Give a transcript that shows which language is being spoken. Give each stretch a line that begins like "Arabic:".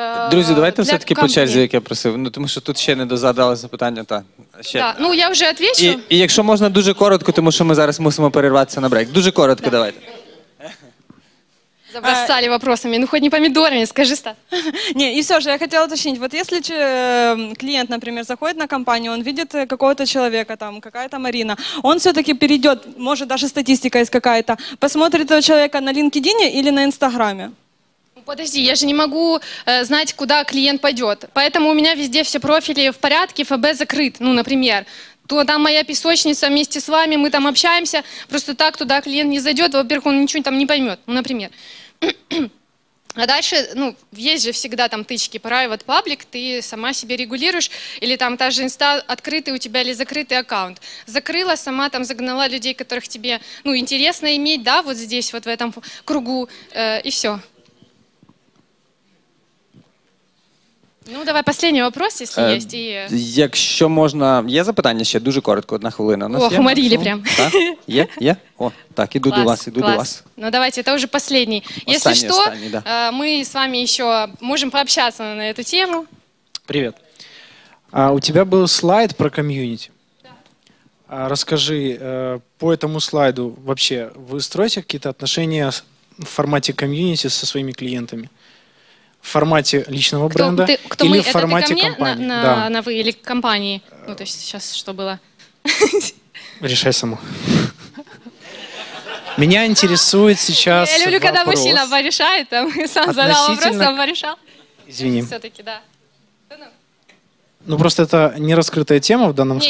Ukrainian: Друзі, давайте все-таки по черзі, як я просив. Ну, тому що тут ще не дозадали запитання. Та, ще. Да. Ну, я вже відвечу. І якщо можна дуже коротко, тому що ми зараз мусимо перерватися на брейк. Дуже коротко, да. Давайте.
Russian: Забросали вопросами, ну хоть не помидорами, скажи, Стас. Не, и все же, я хотела уточнить, вот если клиент, например, заходит на компанию, он видит какого-то человека, там, какая-то Марина, он все-таки перейдет, может, даже статистика есть какая-то, посмотрит этого человека на LinkedIn или на Инстаграме? Подожди, я же не могу знать, куда клиент пойдет. Поэтому у меня везде все профили в порядке, ФБ закрыт. Ну, например, то там моя песочница вместе с вами, мы там общаемся. Просто так туда клиент не зайдет. Во-первых, он ничего там не поймет. Ну, например. А дальше, ну, есть же всегда там тычки private, public, ты сама себе регулируешь, или там та же инста, открытый у тебя или закрытый аккаунт. Закрыла, сама там загнала людей, которых тебе, ну, интересно иметь, да, вот здесь, вот в этом кругу, и все. Ну, давай последний вопрос, если есть.
Ukrainian: Якщо можна, є запитання ще дуже коротко, одна хвилина. О, хмарили прям. Є? Є? О, так, іду до вас, іду до вас. Ну, давайте, це вже последний. Якщо що, ми з вами ще можемо пообщатися на цю тему. Привіт. У тебе був слайд про ком'юніті. Да. Розкажи, по цьому слайду, взагалі, ви строїте якісь відносини в форматі ком'юніті зі своїми клієнтами?
Russian: В форматі личного бренда или в формате компании? На, да. На вы или компании? Ну, то есть сейчас что было? Решай сама. Меня интересует сейчас вопрос. Я люблю, когда мужчина порешает, там, и сам задал вопрос, сам порешал. Извини. Все-таки, да. Ну, просто это не раскрытая тема в данном случае.